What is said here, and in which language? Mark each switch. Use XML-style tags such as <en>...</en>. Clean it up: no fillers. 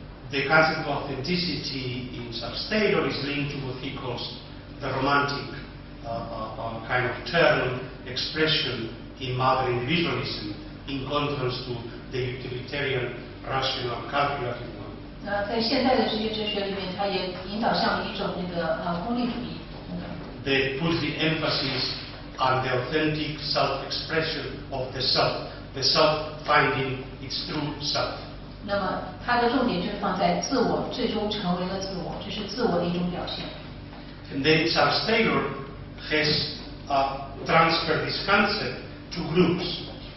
<en>The concept of authenticity in Charles Taylor is linked to what he calls the romantic kind of term expression in modern individualism, in contrast to the utilitarian rational calculative one.</en> <zh>那在现在的这些哲学里面，他也引导向一种那个功利主义。</zh> <en>They put the emphasis on the authentic self-expression of the self.The self finding its true self.</en> <zh>那么它的重点就放在自我最终成为了自我，这是自我的一种表现。</zh> <en>And then Charles Taylor has transferred this concept to groups.</en>